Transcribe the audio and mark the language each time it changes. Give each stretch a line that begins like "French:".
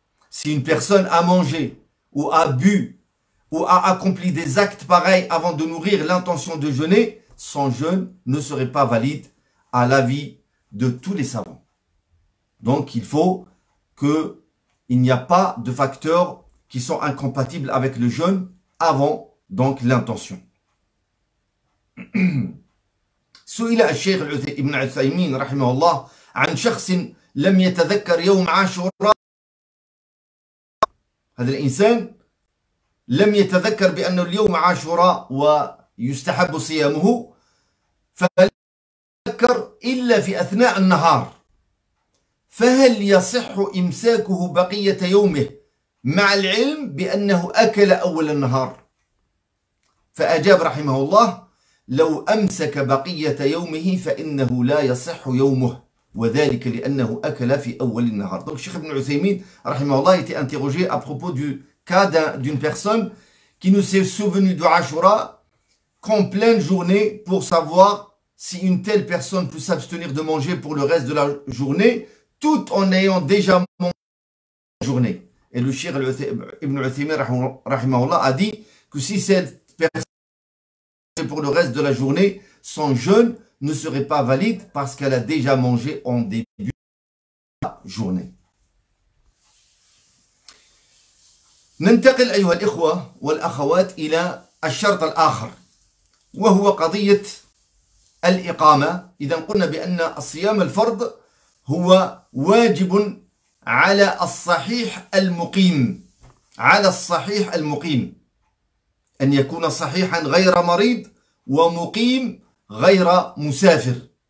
French: Si une personne a mangé ou a bu ou a accompli des actes pareils avant de nourrir l'intention de jeûner, son jeûne ne serait pas valide à l'avis de tous les savants. Donc il faut qu'il n'y a pas de facteurs qui sont incompatibles avec le jeûne avant donc l'intention.
Arabic: سئل الشيخ ابن عثيمين رحمه الله عن شخص لم يتذكر يوم عاشوراء. هذا الإنسان لم يتذكر بأن اليوم عاشوراء ويستحب صيامه، فهل يتذكر إلا في أثناء النهار، فهل يصح إمساكه بقية يومه مع العلم بأنه أكل أول النهار؟ فأجاب رحمه الله: لو أمسك بقية يومه فإنه لا يصح يومه وذلك لأنه أكل في أول النهار.
French: Donc Cheikh Ibn Uthaymeen
Arabic: رحمه الله
French: était interrogé à propos du cas d'une personne qui ne s'est souvenu du Ashura qu'en pleine journée pour savoir si une telle personne peut s'abstenir de manger pour le reste de la journée tout en ayant déjà mangé la journée. Et le Cheikh Ibn Uthaymeen
Arabic: رحمه الله
French: a dit que si cette personne pour le reste de la journée, son jeûne ne serait pas valide parce qu'elle a déjà mangé en début de la journée.
Arabic: ننتقل أيها الإخوة والأخوات إلى الشرط الآخر وهو قضية الإقامة. إذا قلنا بأن الصيام الفرض هو واجب على الصحيح المقيم، على الصحيح المقيم أن يكون صحيحا غير مريض ومقيم غير مسافر.